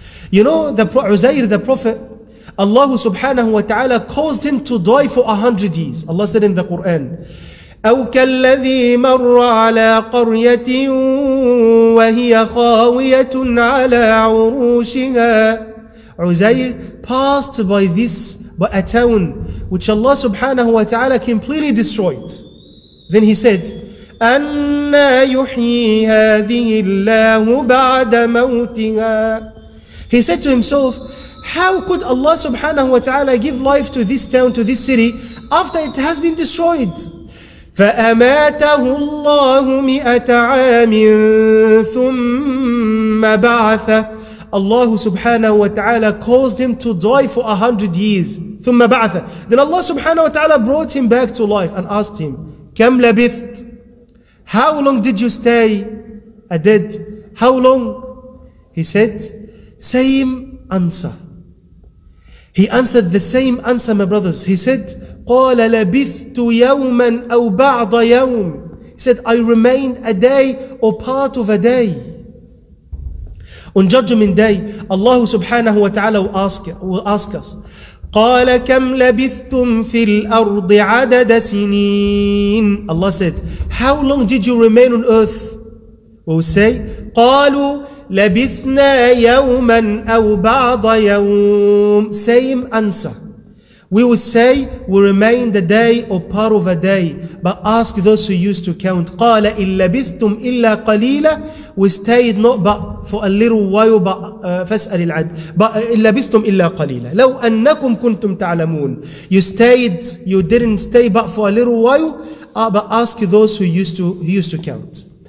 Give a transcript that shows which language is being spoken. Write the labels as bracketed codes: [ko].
[en] You know, Uzair the Prophet, Allah subhanahu wa ta'ala caused him to die for 100 years. Allah said in the Quran, [ar] أَوْ كَالَّذِي مَرَّ عَلَىٰ قَرْيَةٍ وَهِيَ خَاوِيَةٌ عَلَىٰ عُرُوشِهَا. [en] Uzair passed by this, but a town which Allah subhanahu wa ta'ala completely destroyed. Then he said, [ar] أَنَّا يُحْيِي هَذِهِ اللَّهُ بَعْدَ مَوْتِهَا. [en] He said to himself, how could Allah subhanahu wa ta'ala give life to this town, to this city, after it has been destroyed? [ar] فَأَمَاتَهُ اللَّهُ مِئَةَ عَامٍ ثُمَّ بَعْثَ. [en] Allah subhanahu wa ta'ala caused him to die for 100 years. [ar] ثُمَّ بَعْثَ. [en] Then Allah subhanahu wa ta'ala brought him back to life and asked him, [ar] كَمْ لَبِثْتْ. [en] How long did you stay a dead? How long? He said, same answer. He answered the same answer, my brothers. He said, [ar] قَالَ لَبِثْتُ يَوْمًا أَوْ بَعْضَ يَوْمٍ. [en] He said, I remained a day or part of a day. On Judgment Day, Allah subhanahu wa ta'ala will ask us, [ar] قَالَ كَمْ لَبِثْتُمْ فِي الْأَرْضِ عَدَدَ سِنِينَ. [en] Allah said, how long did you remain on earth? We will say, [ar] قَالُوا لَبِثْنَا يَوْمًا أَوْ بَعْضَ يَوْمٍ. [en] Same answer. We will say, we remain the day or part of a day. But ask those who used to count. [ar] قَالَ إِن لَبِثْتُمْ إِلَّا قَلِيلًا [en] We stayed not but for a little while, but [ar] فَاسْأَلِ الْعَدِ [en] But [ar] إِن لَبِثْتُمْ إِلَّا قَلِيلًا لَوْ أَنَّكُمْ كُنْتُمْ تَعْلَمُونَ [en] You stayed, you didn't stay but for a little while, but ask those who used to count.